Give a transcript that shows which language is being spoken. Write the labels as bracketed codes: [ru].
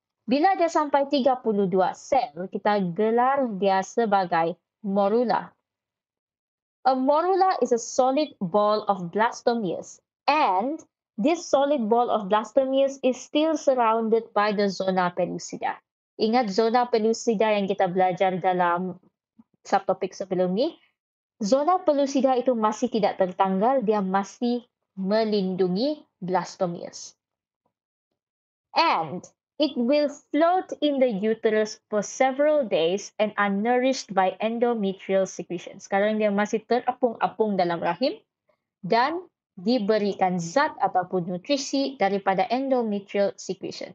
[ms] Bila dia sampai 32 sel, kita gelar dia sebagai morula. [en] A morula is a solid ball of blastomeres, and this solid ball of blastomeres is still surrounded by the zona pellucida. [ms] Ingat zona pellucida yang kita belajar dalam subtopik sebelum ni? Zona pellucida itu masih tidak tertanggal, dia masih melindungi blastomeres. [en] And it will float in the uterus for several days and are nourished by endometrial secretions. [ms] Sekarang dia masih terapung-apung dalam rahim dan diberikan zat ataupun nutrisi daripada endometrial secretion.